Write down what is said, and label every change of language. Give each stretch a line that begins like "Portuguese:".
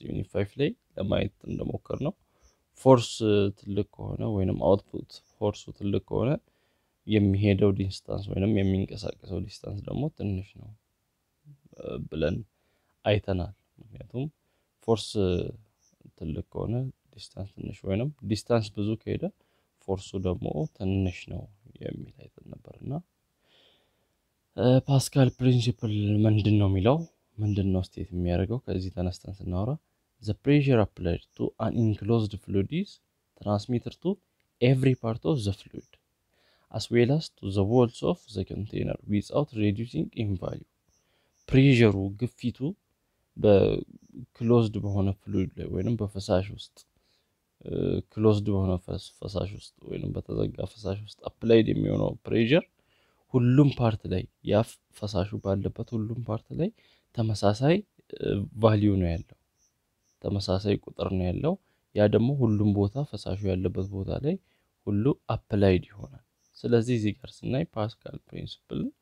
Amharic: ዩኒት 5 ላይ ለማየት እንደሞከር ነው ፎርስ ትልቅ ከሆነ ወይንም አውትፑት ፎርሱ ትልቅ ከሆነ የሚሄደው ዲስታንስ ወይንም የሚንቀሳቀሰው ዲስታንስ ደግሞ ትንሽ ነው ብለን አይተናል። ምክንያቱም ፎርስ ትልቅ ከሆነ ዲስታንስ ትንሽ ወይንም ዲስታንስ ብዙ ከሄደ ፎርሱ ደግሞ ትንሽ ነው የሚል አይተን ነበርና ፓስካል ፕሪንሲፕል ምንድን ነው የሚለው? ምንድን ነው ስቴት የሚያደርገው? ከዚህ ተነስተን ስናወራ
English: the pressure applied to an enclosed fluid is transmitted to every part of the fluid as well as to the walls of the container without reducing in value.
Amharic: ፕሬሸሩ ግፊቱ በክሎዝድ በሆነ ፍሉድ ላይ ወይንም በፈሳሽ ውስጥ ክሎዝድ በሆነ ፈሳሽ ውስጥ ወይንም በተዘጋ ፈሳሽ ውስጥ አፕላይድ የሚሆነው ፕሬሸር ሁሉም ፓርት ላይ ያ ፈሳሹ ባለበት ሁሉም ፓርት ላይ ተመሳሳይ ቫልዩ ነው ያለው፣ ተመሳሳይ ቁጥር ነው ያለው። ያ ደግሞ ሁሉም ቦታ ፈሳሹ ያለበት ቦታ ላይ ሁሉ አፕላይድ ይሆናል። ስለዚህ እዚህ ጋር ስናይ ፓስካል ፕሪንሲፕል